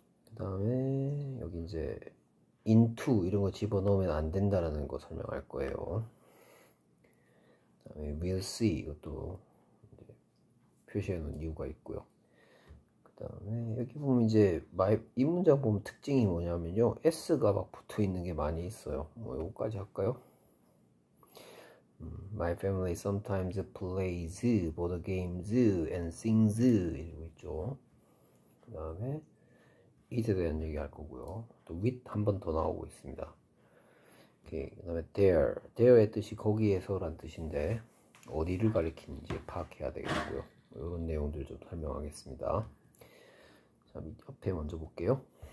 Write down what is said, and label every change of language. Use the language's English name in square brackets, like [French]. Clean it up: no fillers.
[Korean] 그다음에 여기 이제 into 이런 거 집어넣으면 안 된다라는 거 설명할 거예요. 그다음에 we'll see 이것도 표시해 놓은 이유가 있고요. 그다음에 여기 보면 이제 이 문장 보면 특징이 뭐냐면요. s가 막 붙어 있는 게 많이 있어요. 뭐 요거까지 할까요? [English] My family sometimes plays board games and sings [Korean] 이러고 있죠. 그다음에 it에 대한 얘기 할 거고요. 또 with 한번더 나오고 있습니다. 오케이. 그다음에 there. there의 뜻이 거기에서란 뜻인데 어디를 가리키는지 파악해야 되겠고요. 이런 내용들 좀 설명하겠습니다. 자, 옆에 먼저 볼게요.